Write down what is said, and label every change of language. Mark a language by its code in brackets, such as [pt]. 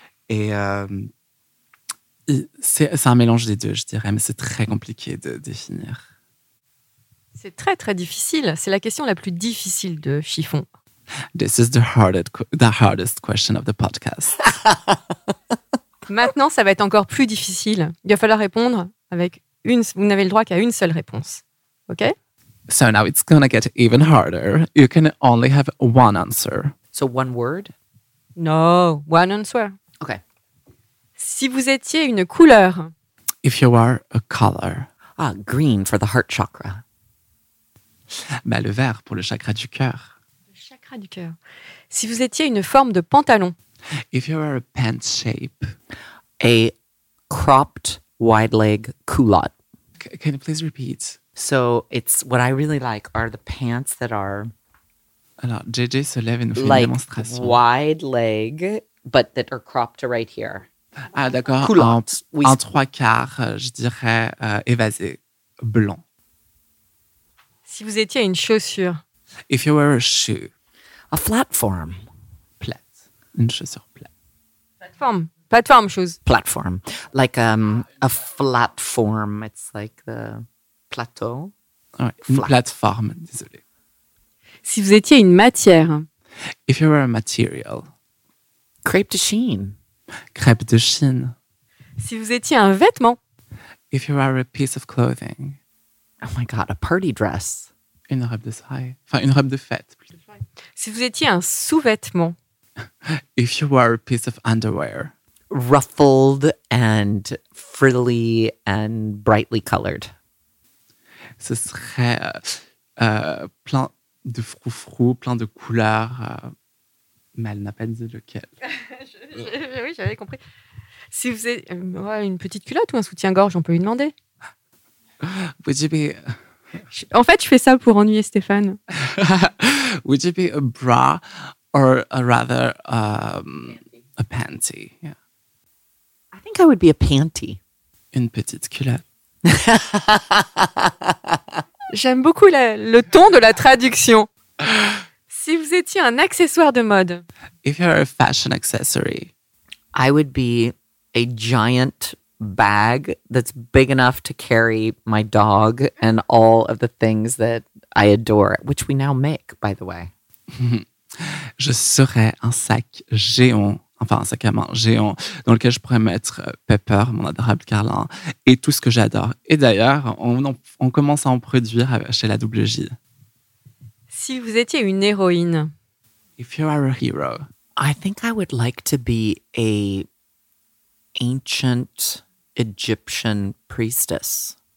[fr] Et c'est un mélange des deux, je dirais, mais c'est très compliqué de définir. C'est très, très difficile. C'est la question la plus difficile de Chiffon. This is the hardest question of the podcast. Maintenant, ça va être encore plus difficile. Il va falloir répondre avec une. Vous n'avez le droit qu'à une seule réponse. OK? [en] So now it's going to get even harder. You can only have one answer. So one word? No, one answer. OK. Si vous étiez une couleur. If you were a color. Ah, green for the heart chakra. [fr] Bah, le vert pour le chakra du cœur. Chakra du cœur. Si vous étiez une forme de pantalon. [en] If you were a pants shape. A cropped wide leg culotte. Can you please repeat? So it's what I really like are the pants that are. [fr] Alors, JJ se lève et nous fait [en] like [fr] une démonstration. [en] Like wide leg, but that are cropped to right here. [fr] Ah, d'accord. Culotte. En trois quarts, je dirais évasé, blanc. Si vous étiez une chaussure. [en] If you were a shoe. A flat form. [fr] Plate. Une chaussure plate. [en] Platform. Platform shoes. Platform. Like a flat form. It's like the plateau. [fr] Ouais, flat. Une plateforme, désolé. Si vous étiez une matière. [en] If you were a material. [fr] Crêpe de Chine. Crêpe de Chine. Si vous étiez un vêtement. [en] If you were a piece of clothing. Oh my God, a party dress. [fr] Une robe de soirée. Enfin, une robe de fête. Si vous étiez un sous-vêtement. [en] If you were a piece of underwear. Ruffled and frilly and brightly colored. [fr] Ce serait plein de froufrou, plein de couleurs. Mais elle n'a pas dit lequel. Oui, j'avais compris. Si vous êtes une petite culotte ou un soutien-gorge, on peut lui demander. [en] Would you be... [fr] En fait, je fais ça pour ennuyer Stéphane. [en] Would you be a bra or a rather a panty? Yeah. I think I would be a panty. [fr] Une petite culotte. J'aime beaucoup le ton de la traduction. Si vous étiez un accessoire de mode. [en] If you're a fashion accessory. I would be a giant bag that's big enough to carry my dog and all of the things that I adore, which we now make, by the way. [fr] Je serais un sac géant, enfin un sac à main géant, dans lequel je pourrais mettre Pepper, mon adorable Carlin, et tout ce que j'adore. Et d'ailleurs, on commence à en produire chez la WJ. Si vous étiez une héroïne. [en] If you are a hero. I think I would like to be a ancient Egyptian priestess.